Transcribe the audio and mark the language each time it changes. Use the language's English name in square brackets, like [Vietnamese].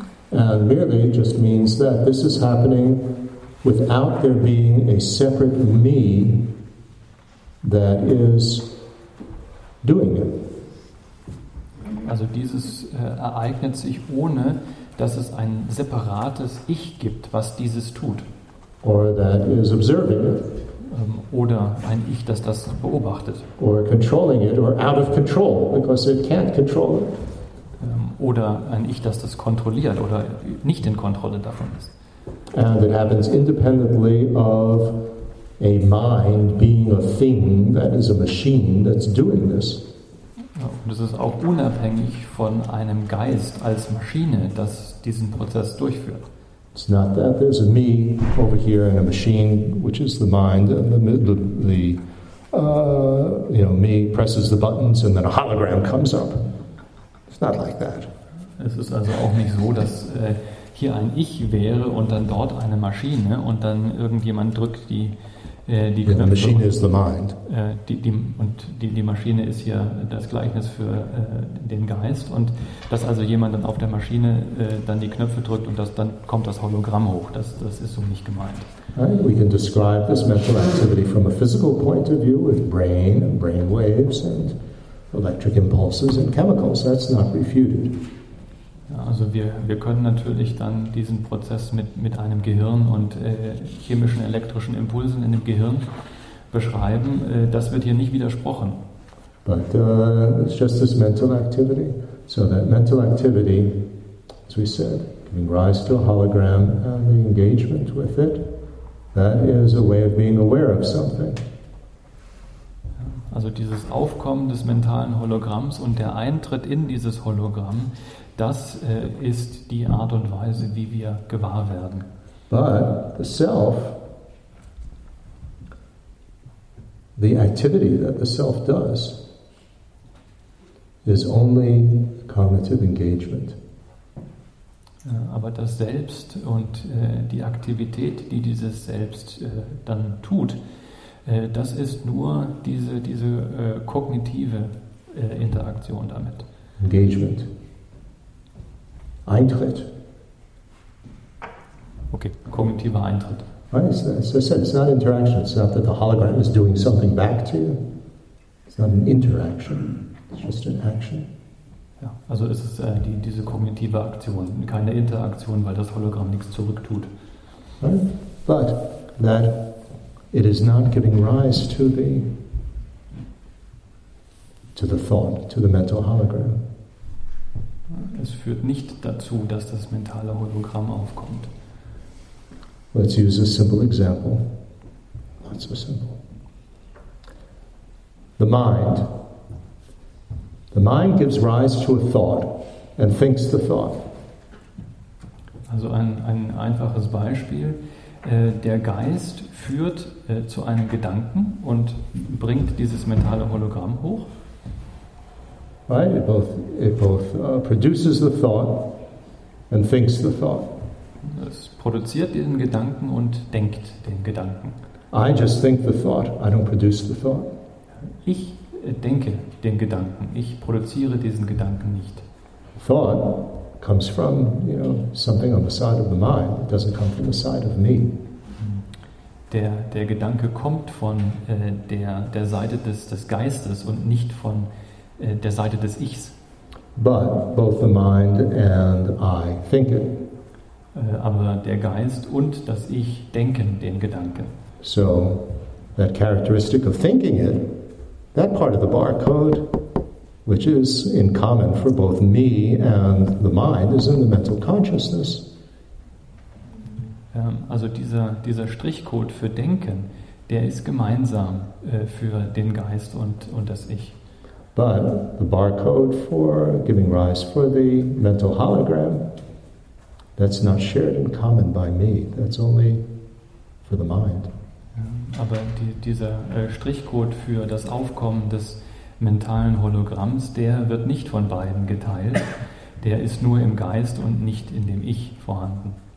[English] And merely just means that this is happening without there being a separate me that is doing it. [German] Also dieses ereignet sich ohne, dass es ein separates Ich gibt, was dieses tut. [English] Or that is observing it. [German] Oder ein Ich, das beobachtet. [English] Or controlling it, or out of control, because it can't control it. [German] Oder ein Ich, das kontrolliert oder nicht in Kontrolle davon ist. [English] And it happens independently of a mind being a thing that is a machine that's doing this. [German] Und es ist auch unabhängig von einem Geist als Maschine, das diesen Prozess durchführt. [English] It's not that there's a me over here and a machine, which is the mind, and the me presses the buttons and then a hologram comes up. It's not like that. [German] Es ist also auch nicht so, dass hier ein Ich wäre und dann dort eine Maschine und dann irgendjemand drückt die [English] The machine is the mind. [German] Die Maschine ist hier das Gleichnis für den Geist, und dass also jemand dann auf der Maschine dann die Knöpfe drückt und das, dann kommt das Hologramm hoch. Das ist so nicht gemeint. [English] Right. We can describe this mental activity from a physical point of view with brain waves and electric impulses and chemicals. That's not refuted. [German] Also wir können natürlich dann diesen Prozess mit einem Gehirn und chemischen elektrischen Impulsen in dem Gehirn beschreiben. Das wird hier nicht widersprochen. [English] But it's just this mental activity. So that mental activity, as we said, giving rise to a hologram and the engagement with it, that is a way of being aware of something. [German] Also dieses Aufkommen des mentalen Hologramms und der Eintritt in dieses Hologramm, das ist die Art und Weise, wie wir gewahr werden. [English] But the self, the activity that the self does, is only cognitive engagement. [German] Aber das Selbst und die Aktivität, die dieses Selbst dann tut, das ist nur diese kognitive Interaktion damit. [English] Engagement. Eintritt. [German] Okay, kognitiver Eintritt. [English] Right, so I said, it's not interaction. It's not that the hologram is doing something back to you. It's not an interaction. It's just an action. [German] Ja, also es ist diese kognitive Aktion, keine Interaktion, weil das Hologramm nichts zurücktut. [English] Right? But that it is not giving rise to the thought, to the mental hologram. [German] Es führt nicht dazu, dass das mentale Hologramm aufkommt. [English] Let's use a simple example. Not so simple. The mind. The mind gives rise to a thought and thinks the thought. [German] Also ein einfaches Beispiel. Der Geist führt zu einem Gedanken und bringt dieses mentale Hologramm hoch. [English] Right? It both produces the thought and thinks the thought. [German] Es produziert den Gedanken und denkt den Gedanken. [English] I just think the thought. I don't produce the thought. [German] Ich denke den Gedanken. Ich produziere diesen Gedanken nicht. [English] Thought comes from, you know, something on the side of the mind. It doesn't come from the side of me. [German] Der Gedanke kommt von der Seite des Geistes und nicht von der Seite des Ichs. [English] But both the mind and I think it. [German] Aber der Geist und das Ich denken den Gedanken. [English] So, that characteristic of thinking it, that part of the barcode, which is in common for both me and the mind, is in the mental consciousness. [German] Also dieser Strichcode für Denken, der ist gemeinsam für den Geist und das Ich. [English] But the barcode for giving rise for the mental hologram, that's not shared in common by me. That's only for the mind. [German] Aber dieser Strichcode für das Aufkommen des mentalen Hologramms, der wird nicht von beiden geteilt. Der ist nur im Geist und nicht in dem Ich vorhanden.